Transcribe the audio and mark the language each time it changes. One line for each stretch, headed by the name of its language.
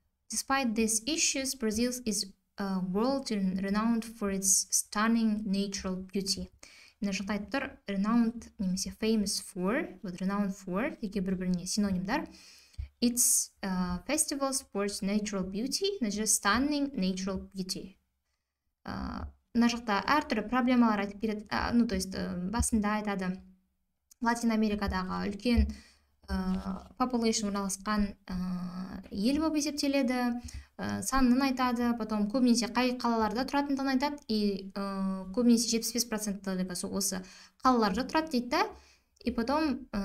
English: Despite these issues, Brazil is world renowned for its stunning natural beauty.
Kazakh: Мына жақта айтып тұр, renowned, немесе famous for, вот
English: renowned for,
Kazakh: деген бір-біріне синонимдар.
English: It's festival sports natural beauty,
Russian: значит,
English: stunning natural beauty.
Kazakh: Мына жақта әртүрлі проблемалар айтып береді,
Russian: ну, то есть,
Kazakh: басында айтады, Латин Америкадағы үлкен population орналасқан ел болып есептеледі, санын айтады,
Russian: потом
Kazakh: көбінесе қай қалаларда тұратындығын айтады, и көбінесе 75%-ы осы қалаларда тұрады дейді да, и потом